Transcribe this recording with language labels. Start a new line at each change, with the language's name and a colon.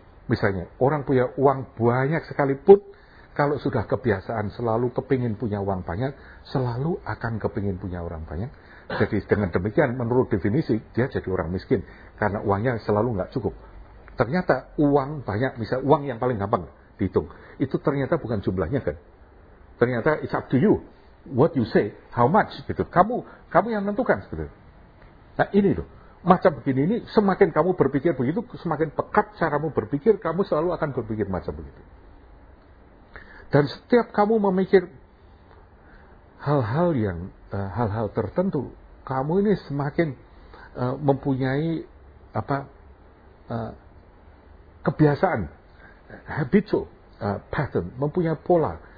Indonesian: Misalnya, orang punya uang banyak sekalipun, kalau sudah kebiasaan selalu kepingin punya uang banyak, selalu akan kepingin punya orang banyak. Jadi dengan demikian, menurut definisi, dia jadi orang miskin. Karena uangnya selalu nggak cukup. Ternyata uang banyak, misal uang yang paling gampang dihitung, itu ternyata bukan jumlahnya kan.
English: Ternyata it's up to you, what you say, how much, gitu.
Indonesian: Kamu yang menentukan, gitu. Nah ini loh, macam begini ini, semakin kamu berpikir begitu, semakin pekat caramu berpikir, kamu selalu akan berpikir macam begitu. Dan setiap kamu memikir hal-hal yang hal-hal tertentu, kamu ini semakin mempunyai apa kebiasaan, habitual pattern, mempunyai pola.